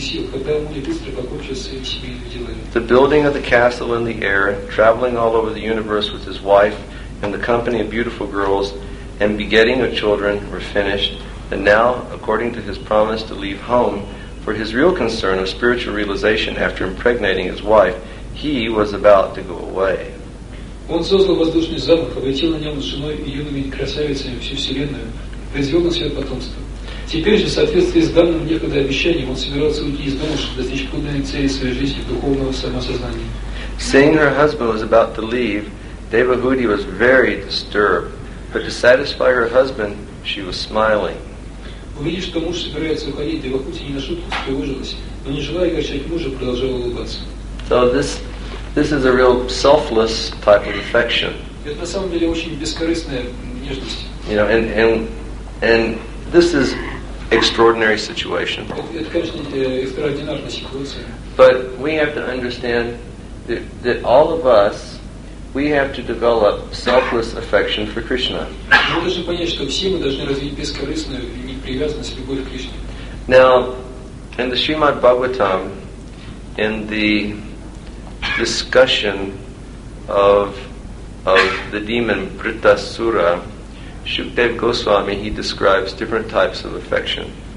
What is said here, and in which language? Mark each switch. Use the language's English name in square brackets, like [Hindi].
[English] The building of the castle in the air, traveling all over the universe with his wife and the company of beautiful girls, and begetting of children were finished, and now, according to his promise to leave home, for his real concern of spiritual realization after impregnating his wife, he was about to go away. [Russian] Он создал воздушный замок, облетел на нем с женой и юными красавицами всю вселенную, произвел на свет потомство. Теперь же, в соответствии с данным некогда обещанием, он собирался уйти из дома, чтобы достичь полной цели своей жизни, духовного самосознания. [English] Seeing her husband was about to leave, Devahuti was very disturbed. But to satisfy her husband, she was smiling. [Russian] Увидев, что муж собирается уходить, Девахути не на шутку встревожилась, но не желая огорчать мужа, продолжала улыбаться. [English] So this is a real selfless type of affection. [Russian] Это на самом деле очень бескорыстная нежность. [English] You know, and this is extraordinary situation. [Russian] Это конечно экстраординарная ситуация. [English] But we have to understand that all of us, we have to develop selfless affection for Krishna. [Russian] Мы должны понять, что все мы должны развить бескорыстную и непривязанность, любовь к Кришне. [English] Now, in the Srimad Bhagavatam, in the discussion of the demon Vritasura, Shukdev Goswami, he describes different types of affection.